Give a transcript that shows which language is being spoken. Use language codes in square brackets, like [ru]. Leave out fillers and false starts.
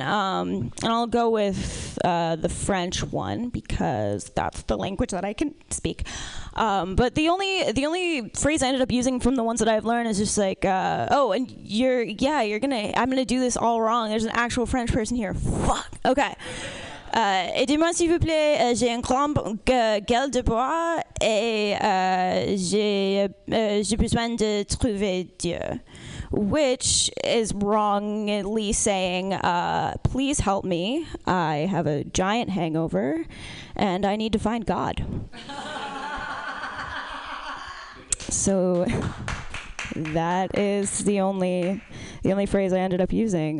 [en] And I'll go with the French one, because that's the language that I can speak. But the only phrase I ended up using from the ones that I've learned is just like, I'm going to do this all wrong. There's an actual French person here. Fuck. Okay. [fr] Aidez-moi s'il vous plaît, j'ai un grand gueule de bois et j'ai besoin de trouver Dieu. [en] Which is wrongly saying, please help me, I have a giant hangover and I need to find God. So that is the only phrase I ended up using.